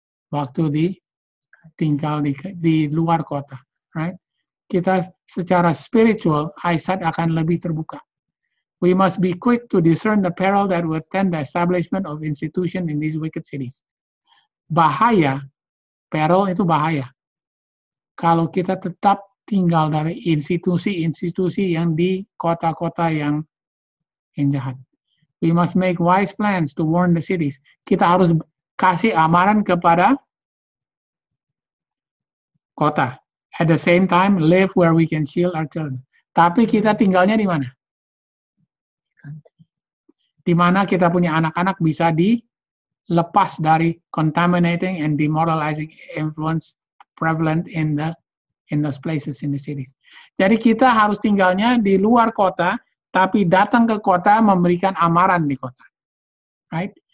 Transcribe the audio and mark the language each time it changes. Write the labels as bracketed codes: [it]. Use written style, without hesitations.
[id] Waktu tinggal di luar kota. Right? Kita secara spiritual, eyesight akan lebih terbuka. [en] We must be quick to discern the peril that would attend the establishment of institution in these wicked cities. [id] Bahaya, peril itu bahaya. Kalau kita tetap tinggal dari institusi-institusi yang di kota-kota yang jahat. [en] We must make wise plans to warn the cities. [id] Kita harus kasih amaran kepada kota. [en] At the same time, live where we can shield our children. [id] Tapi kita tinggalnya di mana? Di mana kita punya anak-anak bisa dilepas dari [en] contaminating and demoralizing influence prevalent in those places in the cities. [id] Jadi kita harus tinggalnya di luar kota, tapi datang ke kota memberikan amaran di kota. Right?